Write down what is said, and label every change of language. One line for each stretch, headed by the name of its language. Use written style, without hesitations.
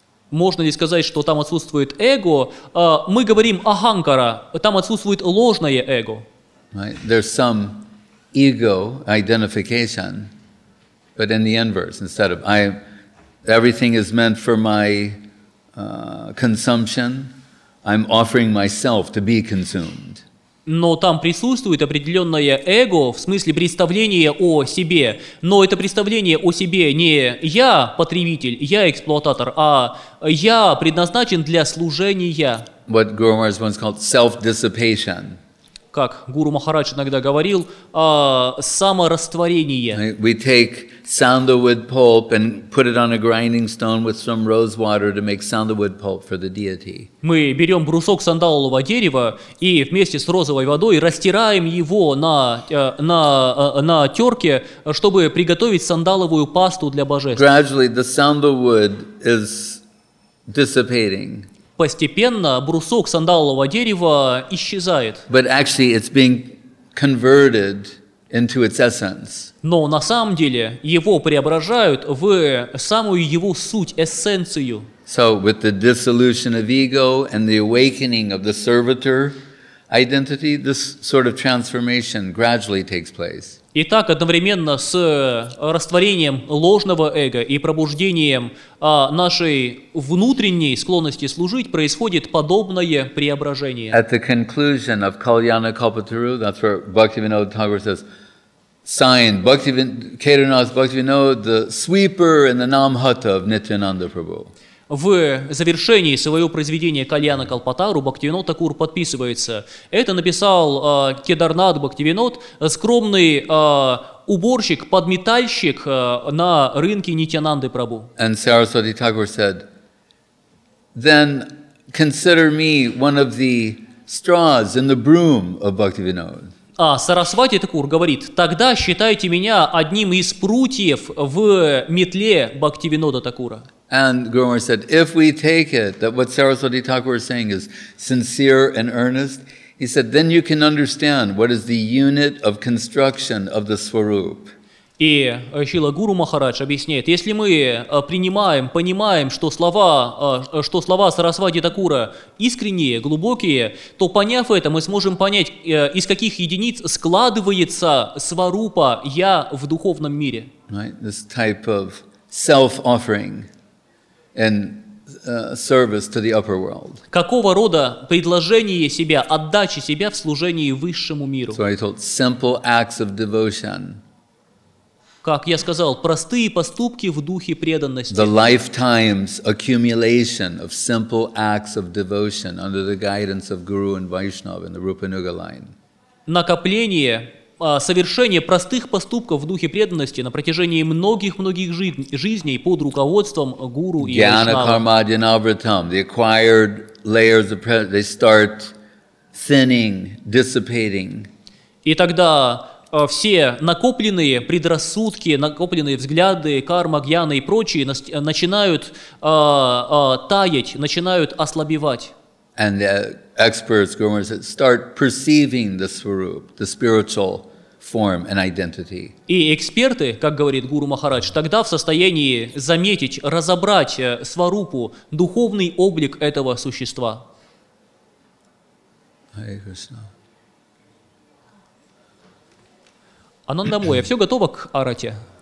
Russian: Можно ли сказать, что там отсутствует эго? Мы говорим аханкара, там отсутствует ложное эго.
English: Right. There's some ego identification, but in the inverse, instead of I, everything is meant for my consumption, I'm offering myself to be consumed.
Russian: Но там присутствует определенное эго, в смысле представление о себе. Но это представление о себе не «я потребитель», «я эксплуататор», а «я предназначен для служения».
English: What Guru Maharaj once called self-dissipation.
Russian: Как Гуру Махарадж иногда говорил, «саморастворение».
English: We take sandalwood pulp and put it on a grinding stone with some rose water to make sandalwood pulp for the deity.
Russian: Мы берем брусок сандалового дерева и вместе с розовой водой растираем его на терке, чтобы приготовить сандаловую пасту для божеств.
English: Gradually the sandalwood is dissipating.
Russian: Постепенно брусок сандалового дерева исчезает.
English: But actually it's being converted into its essence.
Russian: Но на самом деле его преображают в самую его суть, эссенцию.
English: So with the dissolution of ego and the awakening of the servitor identity, this sort of transformation gradually takes place.
Russian: Итак, одновременно с растворением ложного эго и пробуждением нашей внутренней склонности служить происходит подобное преображение.
English: At the conclusion of Kalyana Kalpataru, that's where Bhaktivinoda Thakur says, signed, Kedarnath Bhaktivinoda, the sweeper and the namhata of Nityananda Prabhu.
Russian: В завершении своего произведения Кальяна Калпатару Бхактивинод Такур подписывается. Это написал Кедарнат Бхактивинод, скромный уборщик, подметальщик на рынке Нитянанды Прабу.
English: And Saraswati Thakur said, then consider me one of the straws in the broom of Bhaktivinod.
Russian: А Сарасвати Такур говорит, тогда считайте меня одним из прутьев в метле Бхактивинода Такура.
English: And Guru Maharaj said, if we take it, that what Saraswati Thakur is saying is sincere and earnest, he said, then you can understand what is the unit of construction of the Swaroop.
Russian: И Шрила Гуру Махарадж объясняет, если мы принимаем, понимаем, что слова Сарасвати Такура искренние, глубокие, то поняв это, мы сможем понять, из каких единиц складывается сварупа «я» в духовном мире.
English: Right, this type of self-offering and service to the upper world.
Russian: Какого рода предложение себя, отдача себя в служении высшему миру?
English: So I told simple acts of devotion.
Russian: Как я сказал, простые поступки в духе преданности.
English: The lifetime's accumulation of simple acts of devotion under the guidance of Guru and Vaishnava in the Rupanuga line.
Russian: Накопление, совершение простых поступков в духе преданности на протяжении многих-многих жизней под руководством Гуру и Вайшнава.
Sanskrit: Jnana karma adinavritam,
English: the acquired layers of presence, they start thinning, dissipating.
Russian: И тогда все накопленные предрассудки, накопленные взгляды, карма, гьяна и прочие начинают таять, начинают ослабевать.
English: And the experts, Guru Maharaj said, start perceiving the swarup, the spiritual form and identity.
Russian: И эксперты, как говорит Гуру Махарадж, тогда в состоянии заметить, разобрать сварупу, духовный облик этого существа.
English: Hare Krishna.
Russian: Анандамо, я все готово к арате?